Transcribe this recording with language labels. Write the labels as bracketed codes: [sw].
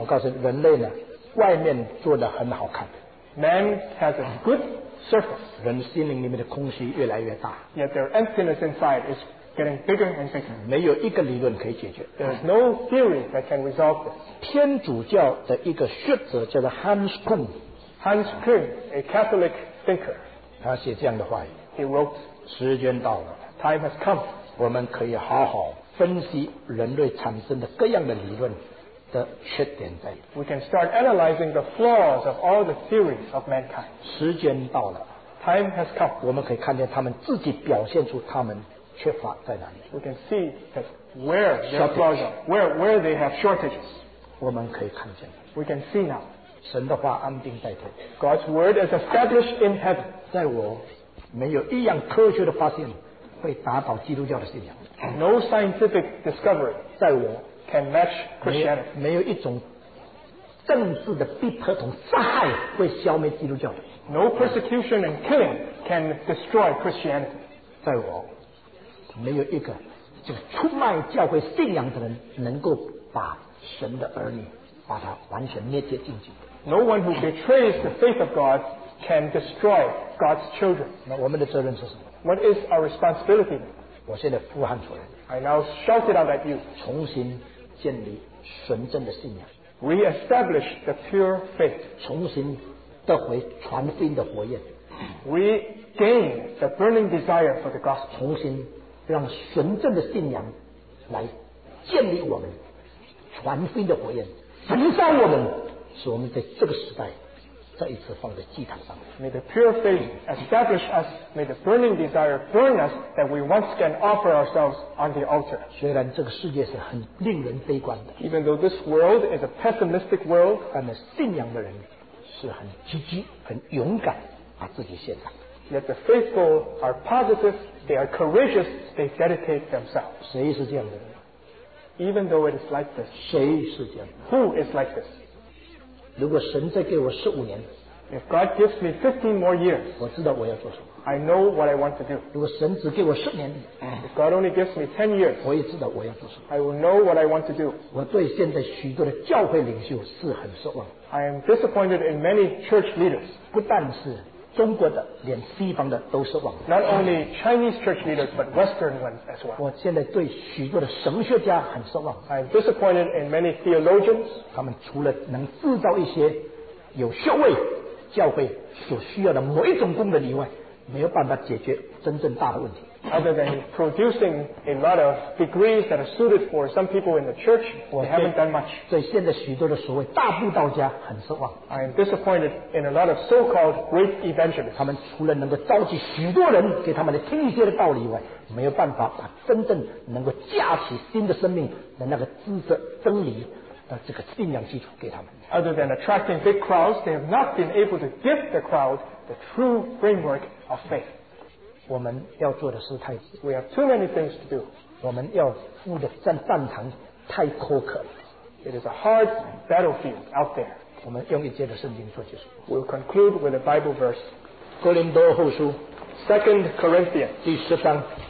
[zh] 我告诉你，人类呢，外面做得很好看 [en] ；man has a good surface, [zh] 人心灵里面的空虚越来越大 [en] ；yet their emptiness inside is getting bigger and bigger. [zh] 没有一个理论可以解决 [en] ；there is no theory that can resolve this. [zh] 天主教的一个学者叫做 Hans Kuhn， [en] Hans Kuhn, a Catholic thinker. [zh] 他写这样的话语 [en] He wrote, [zh] 时间到了 [en] Time has come. [zh] 我们可以好好分析人类产生的各样的理论的缺点在 [en] We can start analyzing the flaws of all the theories of mankind. [zh] 时间到了 [en] Time has come. [zh] 我们可以看见他们自己表现出他们缺乏在哪里 [en] We can see that where their flaws are, where they have shortages. [zh] 我们可以看见 [en] We can see now. [zh] 神的话安定在天 [en] God's word is established in heaven [zh] 在我没有一样科学的发现会打倒基督教的信仰 [en] No scientific discovery [zh] 在我 [en] can match Christianity [zh] 没有一种政治的逼迫同杀害会消灭基督教的 [en] No persecution and killing can destroy Christianity [zh] 在我没有一个就出卖教会信仰的人能够把神的儿女把它完全灭绝净尽。 [en] No one who betrays the faith of God can destroy God's children. [zh] 那我们的责任是什么 [en] ？What is our responsibility? [zh] 我现在呼喊出来。 [en] I now shout it out at you. [zh] 重新建立纯正的信仰。 [en] Re-establish the pure faith. [zh] 重新得回传福音的火焰。 [en] we gain the burning desire for the gospel. [zh] 重新让神圣的信仰来建立我们传福音的火焰，焚烧我们，使我们在这个时代再一次放在祭坛上。 [en] May the pure faith establish us. May the burning desire burn us that we once again offer ourselves on the altar. [zh] 虽然这个世界是很令人悲观的 [en] ，even though this world is a pessimistic world， [zh] 但是信仰的人是很积极、很勇敢，把自己献上。 [en] Yet the faithful are positive. They are courageous. They dedicate themselves. [zh] 谁是这样的人？ [en] Even though it is like this， [zh] 谁是这样的？ [en] Who is like this？ [zh] 如果神再给我十五年 [en] ，If God gives me 15 more years， [zh] 我知道我要做什么。 [en] I know what I want to do。 [zh] 如果神只给我十年 [en] ，If God only gives me 10 years， [zh] 我也知道我要做什么。 [en] I will know what I want to do。 [zh] 我对现在许多的教会领袖是很失望。 [en] I am disappointed in many church leaders。 [zh] 不但是中国的，连西方的都失望。 [en] Not only Chinese church leaders, but Western ones as well。 [zh] 我现在对许多的神学家很失望。 [en] I am disappointed in many theologians。 [zh] 他们除了能制造一些有学位教会所需要的某一种功能以外，没有办法解决真正大的问题。 [en] Other than producing a lot of degrees that are suited for some people in the church, they haven't done much. [zh] 对现在许多的所谓大布道家很失望。 [en] I am disappointed in a lot of so-called great evangelists. [zh] 他们除了能够召集许多人给他们来听一些的道理以外，没有办法把真正能够架起新的生命的那个知识真理的这个信仰基础给他们。 [en] Other than attracting big crowds, they have not been able to give the crowd the true framework of faith. [zh] 我们要做的事太多。 [en] We have too many things to do. [zh] 我们要付的战场太苛刻了。 [en] It is a hard battlefield out there. [zh] 我们用一节的圣经做结束。 [en] We'll conclude with a Bible verse. [zh] 哥林多后书 [en] ，Second Corinthians [zh] 第十章